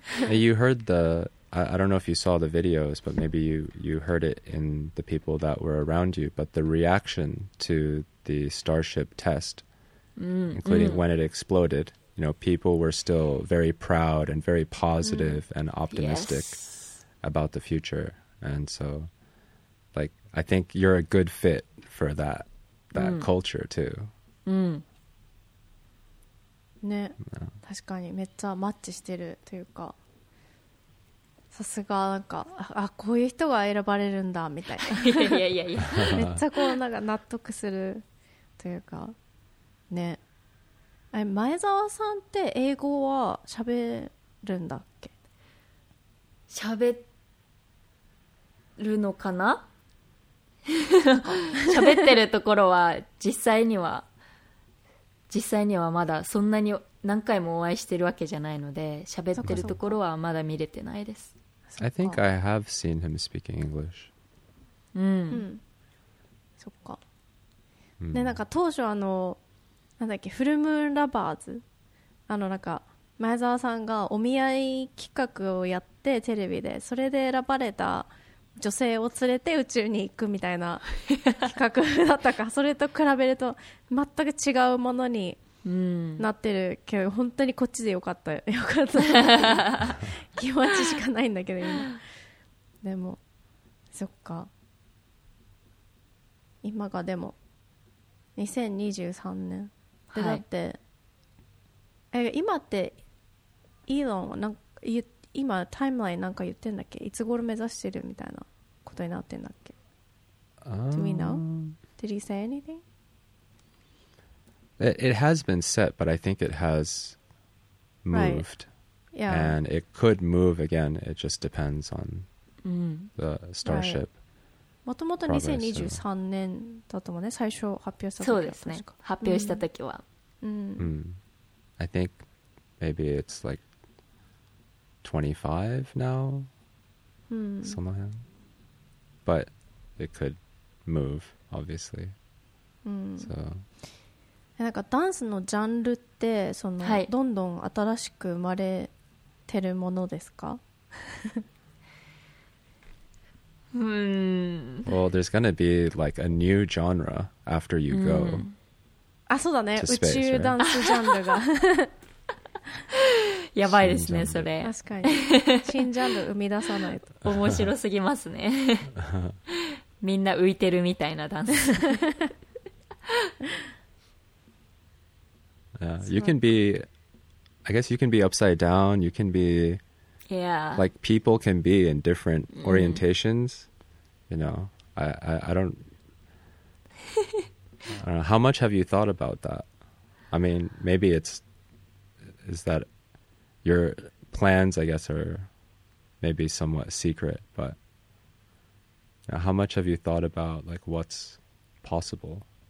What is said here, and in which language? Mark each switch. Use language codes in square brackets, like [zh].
[en] You heard theI don't know if you saw the videos, but maybe you heard it in the people that were around you, but the reaction to the Starship test, including when it exploded, you know, people were still very proud and very positive and optimistic about the future. And so, like, I think you're a good fit for that culture too. [ja] ね、確かにめっちゃマッチしてるというか、さすが、なんか、あ、こういう人が選ばれるんだみたいな。いやいやいやいや、めっちゃこうなんか納得するというかね。あれ、前澤さんって英語は喋るんだっけ？喋るのかな？喋ってるところは実際にはまだそんなに何回もお会いしてるわけじゃないので、喋ってるところはまだ見れてないです。 [en] I think I have seen him speaking English. [ja] そっか。で、なんか当初あの、なんだっけ、フルムーンラバーズ、あのなんか前澤さんがお見合い企画をやってテレビで、それで選ばれた女性を連れて宇宙に行くみたいな企画だったか、それと比べると全く違うものになってるけど、本当にこっちでよかった、よかった気持ちしかないんだけど今。でもそっか、今がでも2023年で、だって、はい、今ってイーロンはなんか今タイムラインなんか言ってんだっけ、いつ頃目指してるみたいなことになってんだっけ、 [en] Do we know? Did he say anything? It has been set, but I think it has moved、 right. yeah. and it could move again, it just depends on、mm. the starship、right. [ja] もともと2023年だったもんね、最初発表した時は。そうですね、発表した時は、うん、 [en] うん、I think maybe it's like 25 now、うん、 [ja] その辺、 [en] but it could move obviously、うん、 so. [ja] なんかダンスのジャンルってその、はい、どんどん新しく生まれてるものですか？ Hmm. [en] Well, there's going to be like a new genre after you go、 [ja] mm. あ、そうだね、宇宙ダンスジャンルがやばいですね、それ。確かに新ジャンル生み出さないと面白すぎますねみんな浮いてるみたいなダンス [en] You can be I guess you can be upside down, you can be Yeah. Like people can be in different orientations,、mm. you know. I don't know. How much have you thought about that? I mean, maybe it's, is that your plans, I guess, are maybe somewhat secret, but you know, how much have you thought about like what's possible?